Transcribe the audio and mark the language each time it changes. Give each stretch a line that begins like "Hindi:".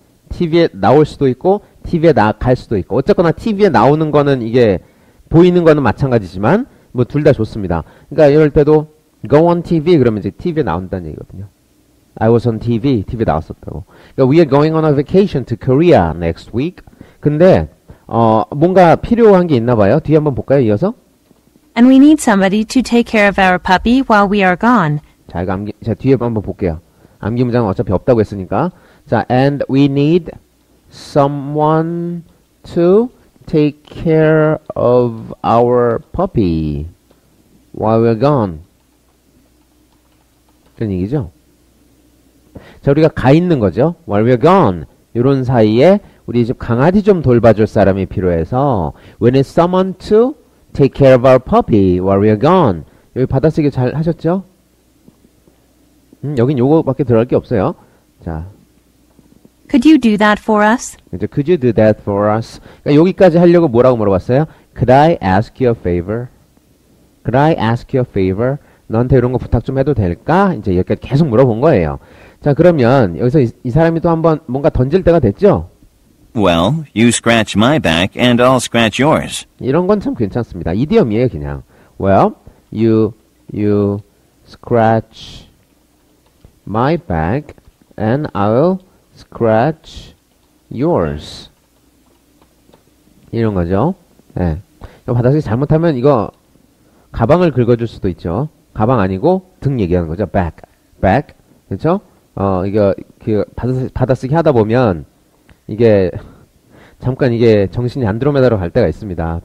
Korean: TV에 나올 수도 있고 TV에 나갈 수도 있고 어쨌거나 TV에 나오는 거는 이게 보이는 거는 마찬가지지만 뭐 둘 다 좋습니다. 그러니까 이럴 때도
English: go on TV
Korean: 그러면 이제 TV에 나온다는 얘기거든요.
English: I was on TV.
Korean: TV에 나왔었다고. 그러니까
English: we are going on a vacation to Korea next week.
Korean: 근데 뭔가 필요한 게 있나 봐요. 뒤에 한번 볼까요? 이어서.
English: And we need somebody to take care of our puppy while we are gone.
Korean: 자, 이거 암기, 자 뒤에 한번 볼게요. 암기 문장은 어차피 없다고 했으니까. 자,
English: and we need someone to take care of our puppy while we're gone.
Korean: 그런 얘기죠? 자, 우리가 가 있는 거죠.
English: While we're gone.
Korean: 이런 사이에 우리 집 강아지 좀 돌봐줄 사람이 필요해서
English: we need someone to take care of our puppy while we're gone.
Korean: 여기 받아쓰기 잘 하셨죠? 여긴 요거밖에 들어갈 게 없어요. 자.
English: Could you do that for us?
Korean: 이제
English: could you do that for us?
Korean: 그러니까 여기까지 하려고 뭐라고 물어봤어요?
English: Could I ask you a favor? Could I ask you a favor?
Korean: 너한테 이런 거 부탁 좀 해도 될까? 이제 이렇게 계속 물어본 거예요. 자, 그러면 여기서 이 사람이 또 한번 뭔가 던질 때가 됐죠?
English: Well, you scratch my back and I'll scratch yours.
Korean: 이런 건 참 괜찮습니다. 이디엄이에요, 그냥.
English: Well, you scratch my back and I'll scratch yours.
Korean: 이런 거죠. 예. 네. 이거 받아쓰기 잘못하면 이거 가방을 긁어줄 수도 있죠. 가방 아니고 등 얘기하는 거죠.
English: Back. Back.
Korean: 그렇죠? 이거 그 받아쓰기 하다 보면 이게 잠깐 이게 정신이 안드로메다로 갈 때가 있습니다.